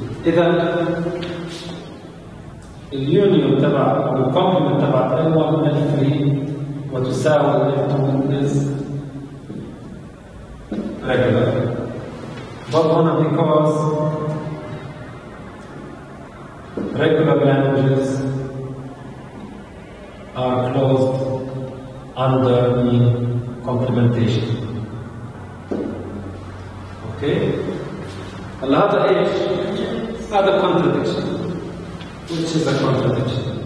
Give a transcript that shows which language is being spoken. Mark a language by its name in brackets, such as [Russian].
[Arabic] إذا اليونيون تبع الكومبلمنت تبع ال1 ال3 وتساوي ال2 [English] is regular. But one of because regular languages are closed under the complementation. Okay. [Arabic] هلا هذا ايش؟ هذا [English] contradiction. Which is a contradiction.